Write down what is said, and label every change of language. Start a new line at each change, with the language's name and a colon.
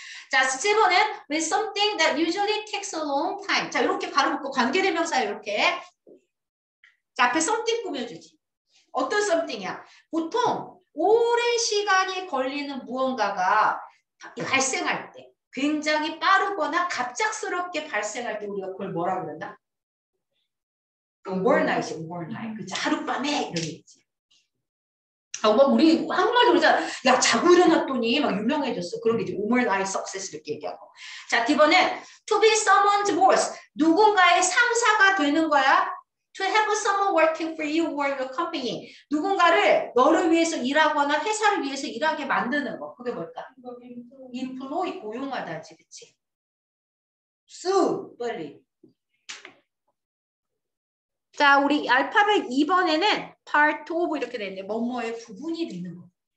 Korean: 자,
English: 7번은 with something that usually takes a long time.
Korean: 자, 이렇게 바로 묶고 관계대명사 이렇게. 자, 앞에 something 꾸며주지. 어떤 something이야? 보통 오랜 시간이 걸리는 무언가가 발생할 때 굉장히 빠르거나 갑작스럽게 발생할 때 우리가 그걸 뭐라고 그런다? overnight이지, overnight. 그치, 하룻밤에 이런 얘기지. 아, 막 우리 한국말 그러잖아. 야, 자고 일어났더니 막 유명해졌어. 그런 게 이제 overnight success 이렇게 얘기하고. 자, 이번에
English: to be someone's boss.
Korean: 누군가의 상사가 되는 거야.
English: To have someone working for you or your company.
Korean: 누군가를 너를 위해서 일하거나 회사를 위해서 일하게 만드는 거. 그게 뭘까? Employ, 고용하다지, 그치? Sue, 빨리. 자, 우리 알파벳 2번에는 part of 이렇게 되는데 뭐뭐의 부분이 되는 거.